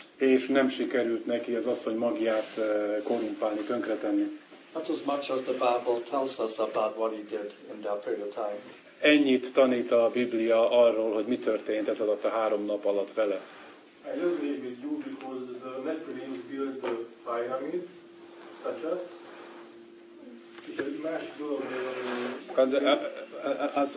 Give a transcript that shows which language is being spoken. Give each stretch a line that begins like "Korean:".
Hungarian: És nem sikerült neki az asszony magját korrumpálni, tönkretenni.
English: That's as much as the Bible tells us about what he did in that period of time.
Hungarian: ennyit tanít a Biblia arról, hogy mi történt ez alatt a három nap alatt vele.
English: I just leave with you because the Nephilim built the pyramids, such as.